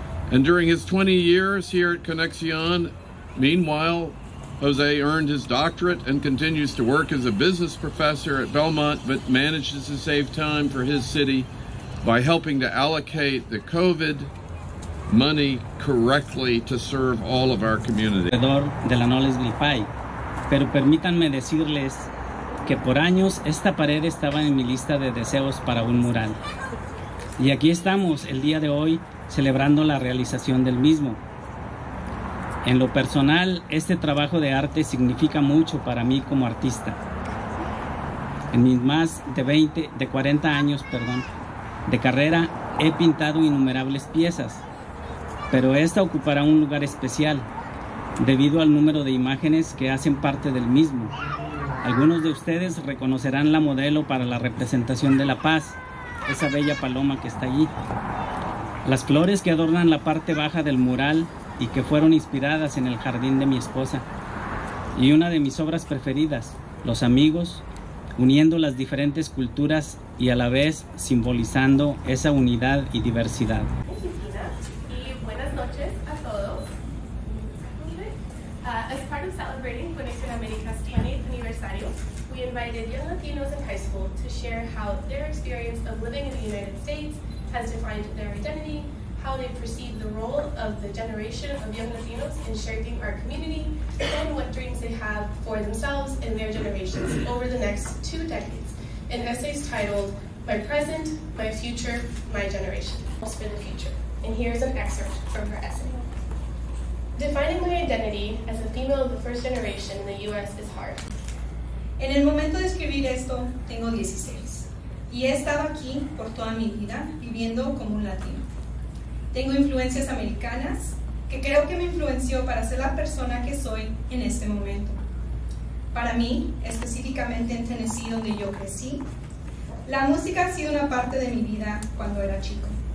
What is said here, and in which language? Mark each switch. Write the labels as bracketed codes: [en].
[en] And during his 20 years here at Conexión, meanwhile, Jose earned his doctorate and continues to work as a business professor at Belmont, but manages to save time for his city by helping to allocate the COVID money correctly to serve all of our community. [es] De la Noles Glipay, pero permítanme decirles que por años esta pared estaba en mi lista de deseos para un mural. Y aquí estamos el día de hoy celebrando la realización del mismo. En lo personal, este trabajo de arte significa mucho para mí como artista. En mis más de 40 años, de carrera, he pintado innumerables piezas, pero esta ocupará un lugar especial debido al número de imágenes que hacen parte del mismo. Algunos de ustedes reconocerán la modelo para la representación de la paz, esa bella paloma que está allí. Las flores que adornan la parte baja del mural y que fueron inspiradas en el jardín de mi esposa. Y una de mis obras preferidas, los amigos, uniendo las diferentes culturas y a la vez simbolizando esa unidad y diversidad. Y buenas noches a todos. [en] As part of celebrating Conexión América's 20th anniversary, we invited young Latinos in high school to share how their experience of living in the United States has defined their identity, how they perceive the role of the generation of young Latinos in shaping our community, and what dreams they have for themselves and their generations over the next two decades, in essays titled, My Present, My Future, My Generation, for the Future. And here's an excerpt from her essay. Defining my identity as a female of the first generation in the U.S. is hard. [es] En el momento de escribir esto, tengo 16, y he estado aquí por toda mi vida viviendo como un latino. Tengo influencias americanas que creo que me influenció para ser la persona que soy en este momento. Para mí, específicamente en Tennessee, donde yo crecí, la música ha sido una parte de mi vida cuando era chico.